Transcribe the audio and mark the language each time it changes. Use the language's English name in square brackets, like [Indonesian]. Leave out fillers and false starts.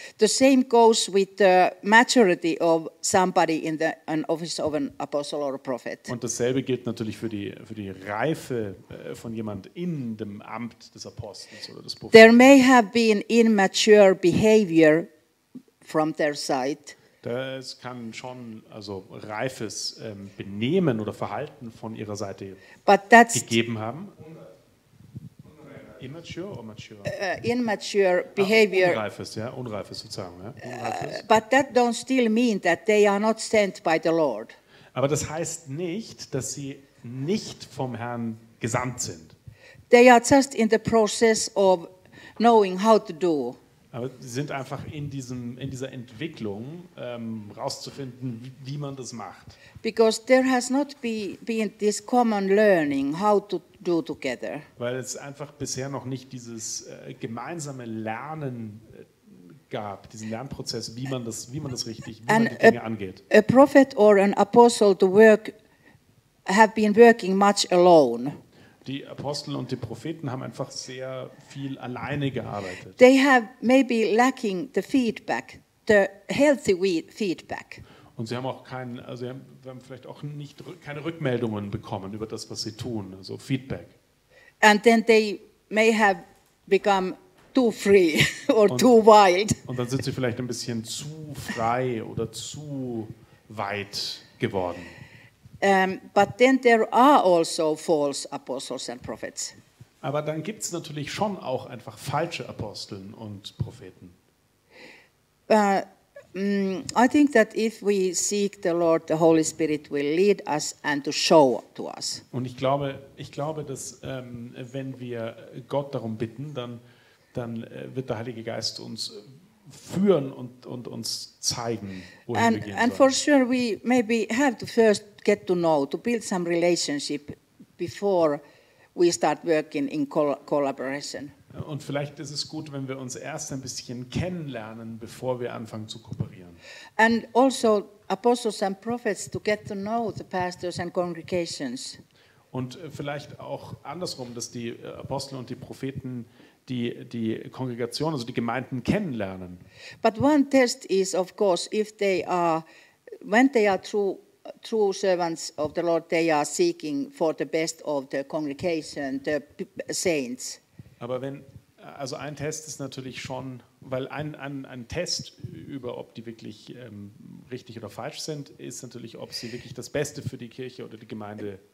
[English] The same goes with the maturity of somebody in the an office of an apostle or a prophet. [German] Und dasselbe gilt natürlich für die Reife von jemand in dem Amt des Apostels oder des Propheten. [English] There may have been immature behavior from their side. [German] Das kann schon also reifes Benehmen oder Verhalten von ihrer Seite gegeben haben. [English] Immature behavior. [German] Unreifes sozusagen. Ja. [English] But that don't still mean that they are not sent by the Lord. [German] Aber das heißt nicht, dass sie nicht vom Herrn gesandt sind. [English] They are just in the process of knowing how to do. [German] Aber sie sind einfach in dieser Entwicklung rauszufinden, wie man das macht. [English] Because there has not been this common learning how to do together. [German] Weil es einfach bisher noch nicht dieses gemeinsame Lernen gab, diesen Lernprozess, wie man die Dinge angeht. [English] A prophet or an apostle to work have been working much alone. [German] Die Apostel und die Propheten haben einfach sehr viel alleine gearbeitet. [English] They have maybe lacking the feedback, the healthy feedback. [German] Und sie haben auch keine Rückmeldungen bekommen über das, was sie tun, also Feedback. [English] And then they may have become too free or too wild. [German] Und dann sind sie vielleicht ein bisschen zu frei oder zu weit geworden. [English] But then there are also false apostles and prophets. [German] Aber dann gibt es natürlich schon auch einfach falsche Aposteln und Propheten. [English] I think that if we seek the Lord, the Holy Spirit will lead us and to show to us. [German] Und ich glaube, dass wenn wir Gott darum bitten, dann wird der Heilige Geist uns führen und uns zeigen, wohin wir gehen sollen. [English] And for sure we maybe have to first get to know, to build some relationship before we start working in collaboration. [German] Und vielleicht ist es gut, wenn wir uns erst ein bisschen kennenlernen, bevor wir anfangen zu kooperieren. [English] And also apostles and prophets to get to know the pastors and congregations. [German] Und vielleicht auch andersrum, dass die Apostel und die Propheten die Kongregation, also die Gemeinden kennenlernen. [English] But one test is of course if they are when they are true servants of the Lord, they are seeking for the best of the congregation, the saints. [German] Aber wenn, also ein Test ist natürlich schon, weil ein Test über, ob die wirklich richtig oder falsch sind, ist natürlich, ob sie wirklich das Beste für die Kirche oder die Gemeinde wollen.